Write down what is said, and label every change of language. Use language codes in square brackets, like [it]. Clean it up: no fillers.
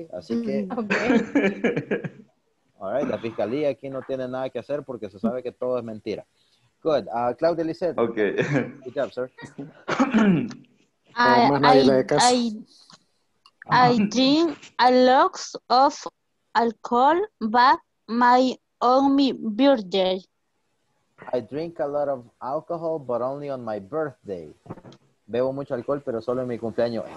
[es] Así que, okay. Alright, la fiscalía aquí no tiene nada que hacer porque se sabe que todo es mentira. [en] Good, Claudia Lizette. Okay. Good job, sir. I drink a lot of alcohol, but my only birthday. I drink a lot of alcohol, but only on my birthday. [es] Bebo mucho alcohol, pero solo en mi cumpleaños.